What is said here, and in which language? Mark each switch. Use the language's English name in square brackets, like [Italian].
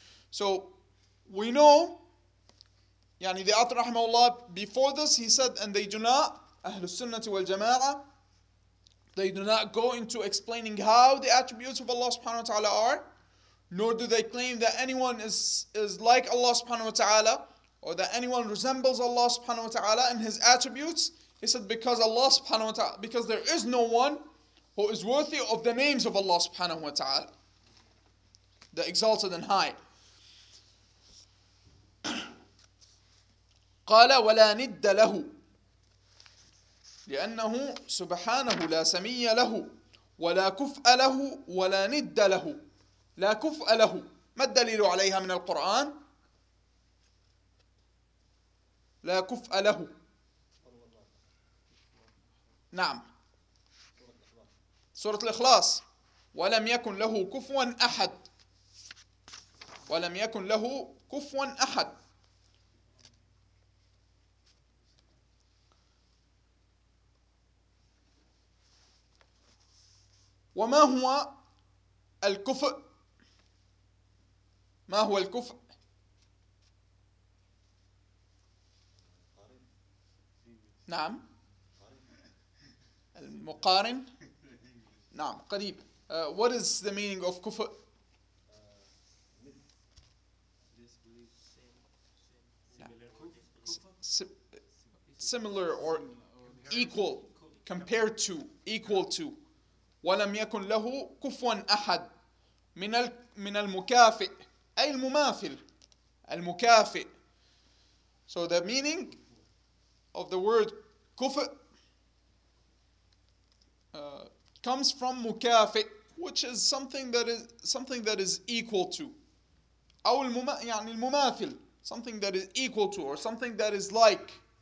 [English] So we know the author rahimahullah before this, he said, and they do not, Ahlul Sunnah wal Jama'ah, they do not go into explaining how the attributes of Allah subhanahu wa ta'ala are, nor do they claim that anyone is like Allah subhanahu wa ta'ala, or that anyone resembles Allah subhanahu wa ta'ala in his attributes. He said, because Allah subhanahu wa ta'ala, because there is no one who is worthy of the names of Allah subhanahu wa ta'ala, the exalted and high. [Arabic] قال ولا ند له لأنه سبحانه لا سمي له ولا كفء له ولا ند له لا كفء له. ما الدليل عليها من القرآن؟ لا كفء له. نعم سورة الإخلاص. ولم يكن له كفوا أحد. ولم يكن له كفوا أحد. وما هو الكفء؟ ما هو الكفء؟ نعم المقارن. نعم قريب. [English] What is the meaning of كفء؟ Similar or equal, compared to, equal to. [Arabic] ولم يكن له كفوا أحد من المكافئ أي المماثل المكافئ. [English] So the meaning of the word كفء comes from مكافئ, which is something that is equal to, [Arabic] أو المماثل, [English] something that is equal to or something that is like.